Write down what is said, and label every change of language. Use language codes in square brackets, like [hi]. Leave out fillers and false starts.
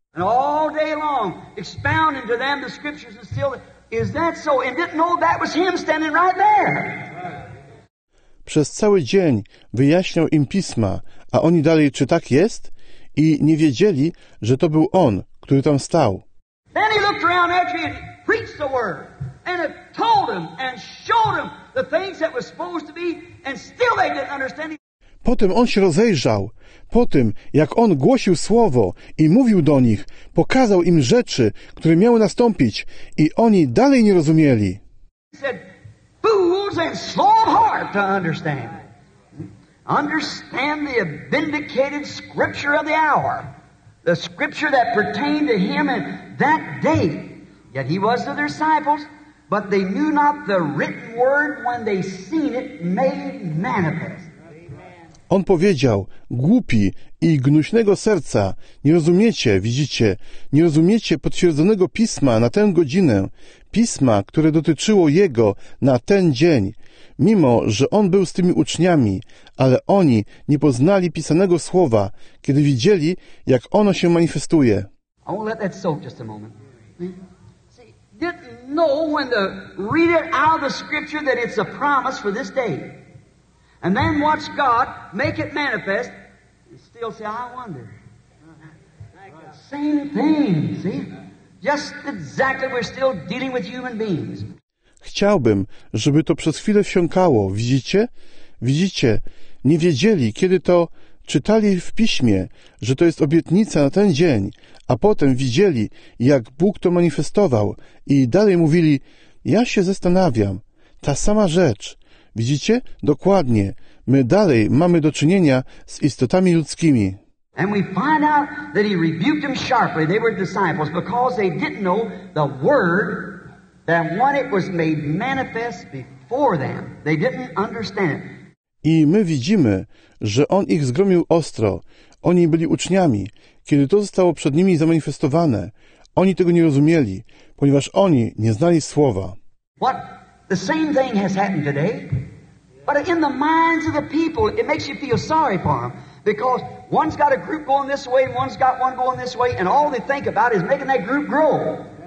[en] And all day long, expounding to them the scriptures and still, is that so? And didn't know that was him standing right there. [pl] Przez cały dzień wyjaśniał im pisma, a oni dalej: czy tak jest? I nie wiedzieli, że to był on, który tam stał. [en] Then he looked around after him and preached the word. And it told them and showed them the things that were supposed to be, and still they didn't understand it. [pl] Potem on się rozejrzał, po tym, jak on głosił słowo i mówił do nich, pokazał im rzeczy, które miały nastąpić, i oni dalej nie rozumieli. [en] Said, fools and slow of heart to understand. Understand the vindicated scripture of the hour, the scripture that pertained to him in that day. Yet he was the disciples, but they knew not the written word when they seen it made manifest. [pl] On powiedział: głupi i gnuśnego serca, nie rozumiecie, widzicie, nie rozumiecie potwierdzonego pisma na tę godzinę, pisma, które dotyczyło Jego na ten dzień, mimo że On był z tymi uczniami, ale oni nie poznali pisanego słowa, kiedy widzieli, jak ono się manifestuje. [en] I won't let that soak just a moment. See, didn't know when to read it out of the scripture that it's a promise for this day. And then watch God make it manifest. And still say, I wonder. Same thing, see? Just exactly, we're still dealing with human beings. [pl] Chciałbym, żeby to przez chwilę wsiąkało, widzicie? Widzicie, nie wiedzieli, kiedy to czytali w piśmie, że to jest obietnica na ten dzień, a potem widzieli, jak Bóg to manifestował, i dalej mówili: ja się zastanawiam, ta sama rzecz. Widzicie? Dokładnie. My dalej mamy do czynienia z istotami ludzkimi. [en] And we find out that he rebuked them sharply. They were disciples because they didn't know the word that when it was made manifest before them. They didn't understand. [pl] I my widzimy, że on ich zgromił ostro. Oni byli uczniami, kiedy to zostało przed nimi zamanifestowane. Oni tego nie rozumieli, ponieważ oni nie znali słowa. [en] What? The same thing has happened today. But in the minds of the people, it makes you feel sorry for them. Because one's got a group going this way, one's got one going this way, and all they think about is making that group grow.